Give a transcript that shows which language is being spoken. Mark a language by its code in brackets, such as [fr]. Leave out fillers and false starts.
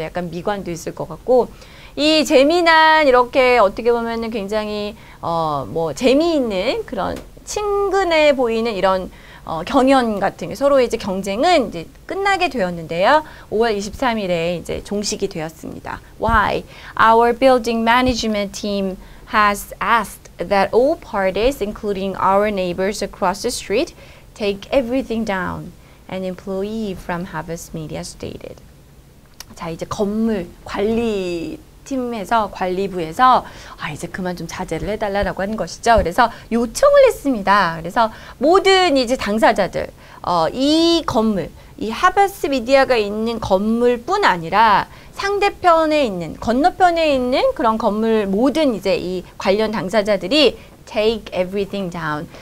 [ko] 약간 미관도 있을 것 같고 이 재미난 이렇게 어떻게 보면은 굉장히 뭐 재미있는 그런 친근해 보이는 이런 경연 같은 게 서로 이제 경쟁은 이제 끝나게 되었는데요. 5월 23일에 이제 종식이 되었습니다. [en] Why? Our building management team has asked that all parties, including our neighbors across the street, take everything down. An employee from Harvest Media stated. [ko] 자, 이제 건물 관리 팀에서 관리부에서 이제 그만 좀 자제를 해달라라고 한 것이죠. 그래서 요청을 했습니다. 그래서 모든 이제 당사자들 이 건물, 이 하버스 미디어가 있는 건물뿐 아니라 상대편에 있는 건너편에 있는 그런 건물 모든 이제 이 관련 당사자들이 [en] take everything down.